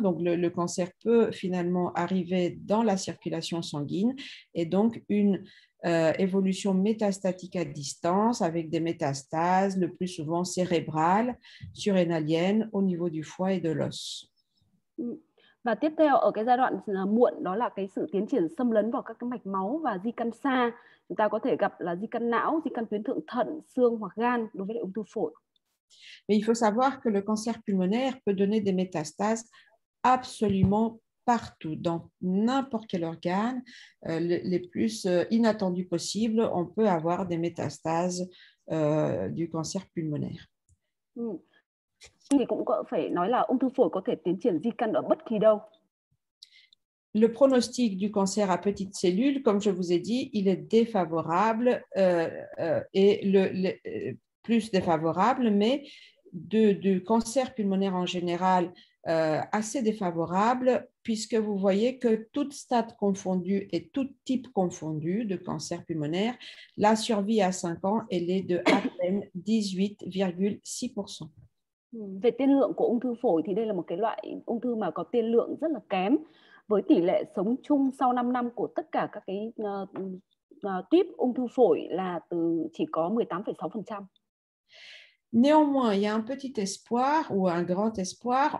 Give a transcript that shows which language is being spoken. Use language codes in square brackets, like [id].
[fr] Donc le cancer peut finalement arriver dans la circulation sanguine et donc une évolution métastatique à distance avec des métastases, le plus souvent cérébrales, surrénaliennes, au niveau du foie et de l'os. [vi] Và tiếp theo ở cái giai đoạn muộn đó là cái sự tiến triển xâm lấn vào các cái mạch máu và di căn xa. Chúng ta có thể gặp là di căn não, di căn tuyến thượng thận, xương hoặc gan đối với lại ung thư phổi. [fr] Mais il faut savoir que le cancer pulmonaire peut donner des métastases absolument partout, dans n'importe quel organe, les plus inattendus possibles, on peut avoir des métastases du cancer pulmonaire. [vi] Thì cũng có phải nói là ung thư phổi có thể tiến triển di căn ở bất kỳ đâu. [fr] Le pronostic du cancer à petite cellule, comme je vous ai dit, il est défavorable et le plus défavorable, mais du cancer pulmonaire en général assez défavorable, puisque vous voyez que tout stade confondu et tout type confondu de cancer pulmonaire, la survie à 5 ans, elle est de à peine 18,6%. [vi] Về tiên lượng của ung thư phổi thì đây là một cái loại ung thư mà có tiên lượng rất là kém, với tỷ lệ sống chung sau 5 năm của tất cả các cái type ung thư phổi là từ chỉ có 18,6%. [fr] Néanmoins, il y a un petit espoir ou un grand espoir.